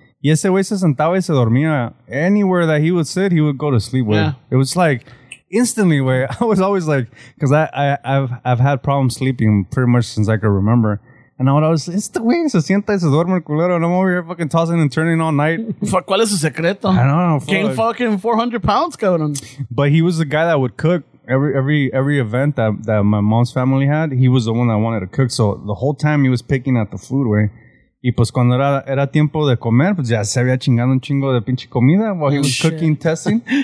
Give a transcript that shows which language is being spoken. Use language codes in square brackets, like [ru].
[es] Y ese güey se sentaba y se dormía. [en] Anywhere that he would sit, he would go to sleep with. Yeah. It was like instantly, güey. I was always like, because I've had problems sleeping pretty much since I could remember. And I would always say, [es] este güey se sienta y se duerme el culero. [en] And I'm over here fucking tossing and turning all night. [es] ¿Cuál es su secreto? [en] I don't know. Gain fucking 400 pounds, cabrón. But he was the guy that would cook. Every event that my mom's family had, he was the one that wanted to cook. So the whole time he was picking at the food, way. [es] Y pues cuando era tiempo de comer, pues ya se había chingado un chingo de pinche comida [en] while he was cooking, testing.